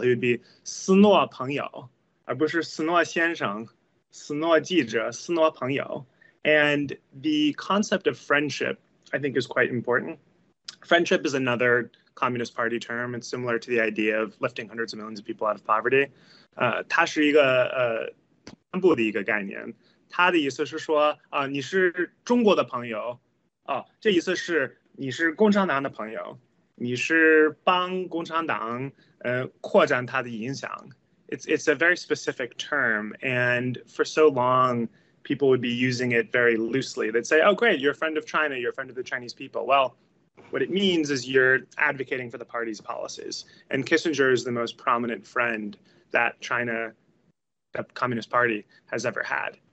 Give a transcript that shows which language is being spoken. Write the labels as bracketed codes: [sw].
[en] He would be [zh] Snow 朋友, 而不是 Snow 先生, Snow 记者, Snow 朋友. [en] And the concept of friendship, I think, is quite important. Friendship is another Communist Party term. It's similar to the idea of lifting hundreds of millions of people out of poverty. [zh] 它是一个干部的一个概念。它的意思是说，你是中国的朋友，这意思是你是共产党的朋友，你是帮共产党扩展它的影响。 [en] It's a very specific term, and for so long, people would be using it very loosely. They'd say, oh, great, you're a friend of China, you're a friend of the Chinese people. Well, what it means is you're advocating for the party's policies. And Kissinger is the most prominent friend that China, the Communist Party, has ever had.